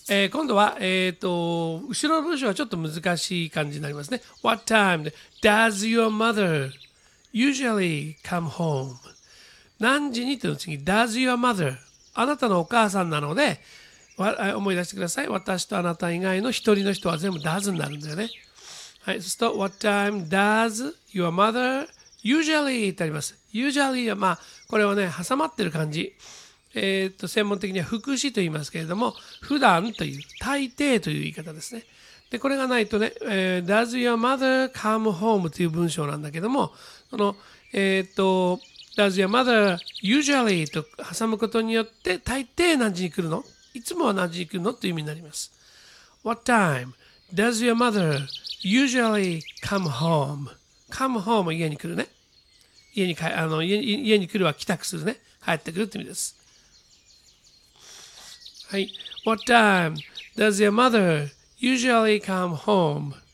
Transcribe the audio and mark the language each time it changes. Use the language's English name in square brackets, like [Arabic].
[Japanese] 今度は、後ろの文章はちょっと難しい感じになりますね。 [English] What time does your mother usually come home? [Japanese] 何時にというの次、 [English] does your mother? [Japanese] あなたのお母さんなので、思い出してください。私とあなた以外の一人の人は全部 does になるんだよね。はい、そうすると、 [English] What time does your mother usually [Japanese] ってあります。 Usually は、まあ、これはね、挟まってる感じ。専門的には副詞と言いますけれども、普段という、大抵という言い方ですね。で、これがないとね、 [English] Does your mother come home? [Japanese] という文章なんだけども、その、 [English] Does your mother usually? [Japanese] と挟むことによって、大抵何時に来るの?いつもは何時に来るの?という意味になります。 [English] What time does your mother usually come home? Come home [Japanese] 家に来るね。家に帰、家に来るは帰宅するね。帰ってくるって意味です。はい。 [English] What time does your mother usually come home?